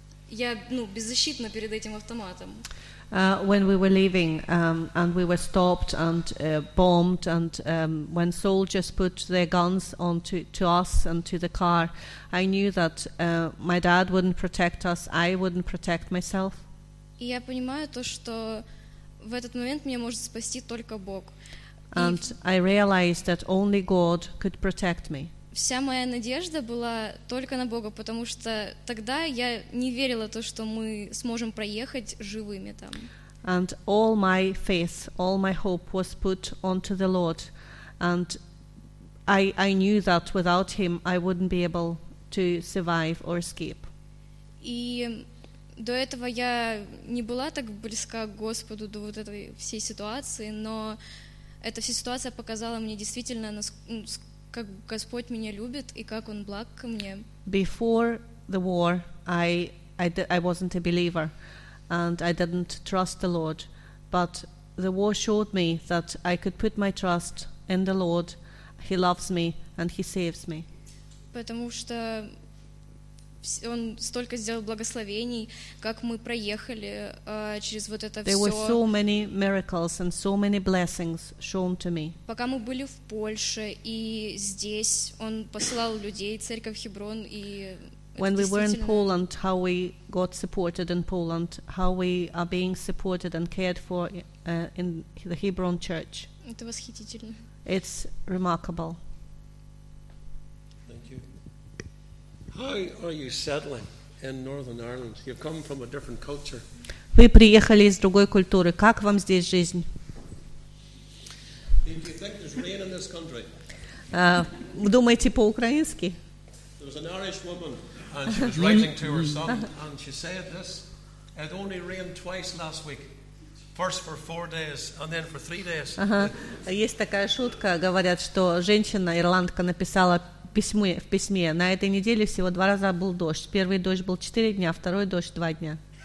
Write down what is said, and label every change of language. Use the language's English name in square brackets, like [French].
[Russian] Я, ну, беззащитна перед этим автоматом. [English] When we were leaving, and we were stopped and bombed, and when soldiers put their guns onto us and to the car, I knew that my dad wouldn't protect us, I wouldn't protect myself. [Russian] И я понимаю то, что в этот момент меня может спасти только Бог. [English] And I realized that only God could protect me. [Russian] Вся моя надежда была только на Бога, потому что тогда я не верила то, что мы сможем проехать живыми там. [English] And all my faith, all my hope was put onto the Lord. And I knew that without Him I wouldn't be able to survive or escape. [Russian] И до этого я не была так близка к Господу, до вот этой всей ситуации, но эта вся ситуация показала мне действительно, как Господь меня любит и как Он благ ко мне. [English] Before the war, I wasn't a believer, and I didn't trust the Lord. But the war showed me that I could put my trust in the Lord. He loves me, and He saves me. [Russian] Потому что Он столько сделал благословений, как мы проехали через вот это [English] There [Russian] все. [English] There were so many miracles and so many blessings shown to me. [Russian] Пока мы были в Польше и здесь, Он посылал людей, церковь Хеброн, и [English] When we were in Poland, how we got supported in Poland, how we are being supported and cared for in the Hebron Church. [Russian] Это восхитительно. [English] It's remarkable. How are you settling in Northern Ireland? You've come from a different culture. [Russian] Вы приехали из другой культуры. Как вам здесь жизнь? [English] Do you think there's rain in this country? [Russian] Думаете по-украински? [English] There was an Irish woman, and she was writing to her son, and she said this: "It only rained twice last week. First for 4 days, and then for 3 days." [Russian] Есть такая шутка, говорят, что женщина ирландка написала. В письме на этой неделе всего 2 раза был дождь. Первый дождь был 4 дня, второй дождь 2 дня.